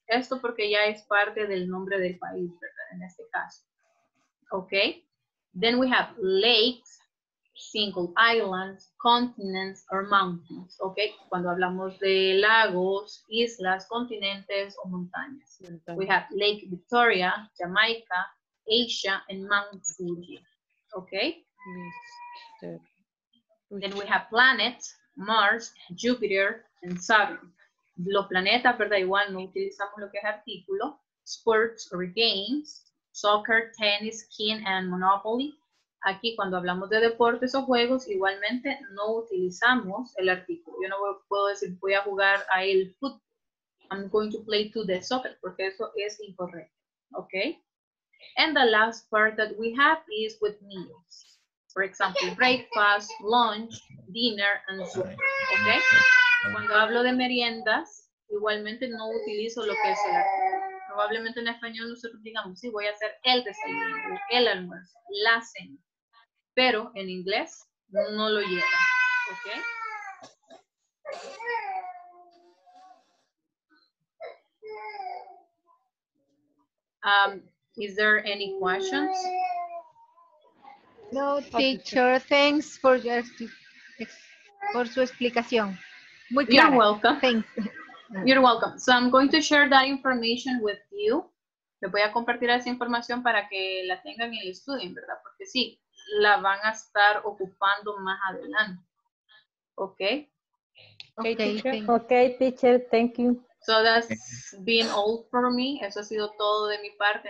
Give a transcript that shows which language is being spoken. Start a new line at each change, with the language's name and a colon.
Spanish: Esto porque ya es parte del nombre del país, ¿verdad? En este caso. Okay.
English: Then we have lakes, single islands, continents, or mountains. Okay.
Spanish: Cuando hablamos de lagos, islas, continentes, o montañas.
English: Entonces, we have Lake Victoria, Jamaica, Asia, and Mount Fuji. Okay. Then we have planets, Mars, Jupiter, and Saturn.
Spanish: los planetas, ¿verdad? Igual no utilizamos lo que es artículo.
English: Sports or games, soccer, tennis, king and monopoly.
Spanish: Aquí cuando hablamos de deportes o juegos, igualmente no utilizamos el artículo. Yo no puedo decir voy a jugar a el fútbol.
English: I'm going to play to the soccer,
Spanish: porque eso es incorrecto.
English: Okay? And the last part that we have is with meals. For example, breakfast, lunch, dinner, and supper. Okay?
Spanish: Cuando hablo de meriendas, igualmente no utilizo lo que es el artículo. Probablemente en español nosotros digamos, sí, voy a hacer el desayuno, el almuerzo, la cena. Pero en inglés no lo lleva. ¿Ok?
English: Is there any questions? No, teacher. Thanks for your for
Spanish: su explicación. Muy clara.
English: You're welcome. Thanks. You're welcome. So I'm going to share that information with you.
Spanish: Les voy a compartir esa información para que la tengan y la estudien, ¿verdad? Porque sí, la van a estar ocupando más adelante.
English: Okay. Okay, teacher. Okay, teacher. Thank you. So that's been all for me.
Spanish: Eso ha sido todo de mi parte.